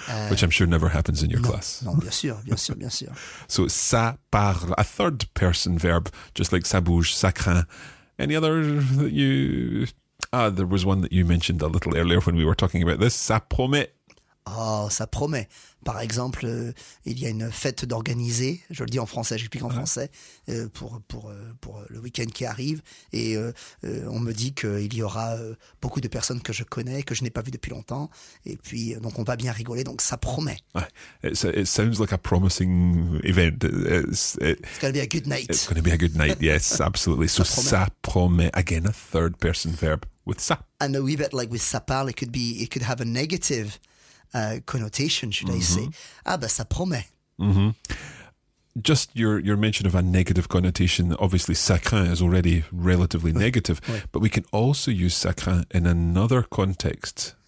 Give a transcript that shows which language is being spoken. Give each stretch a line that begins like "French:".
English: Which I'm sure never happens in your class.
French: Non, bien sûr, bien sûr, bien sûr.
English: So, ça parle, a third person verb, just like ça bouge, ça craint. Any other that you... there was one that you mentioned a little earlier when we were talking about this.
French: Ça promet. Oh, ça promet. Par exemple, il y a une fête d'organiser, je le dis en français, j'explique en français, pour le week-end qui arrive. Et on me dit qu'il y aura beaucoup de personnes que je connais, que je n'ai pas vues depuis longtemps. Et puis, donc on va bien rigoler, donc ça promet.
English: It sounds like a promising event. It's going to be a good night. It's going to be a good night, yes, absolutely. So ça promet, again, a third person verb with ça. And a wee bit like with ça parle, it could have a negative connotation, should I say.
French: Ah, ben, ça promet.
English: Mm-hmm. Just your mention of a negative connotation, obviously, ça craint is already relatively negative, but we can also use ça craint in another context.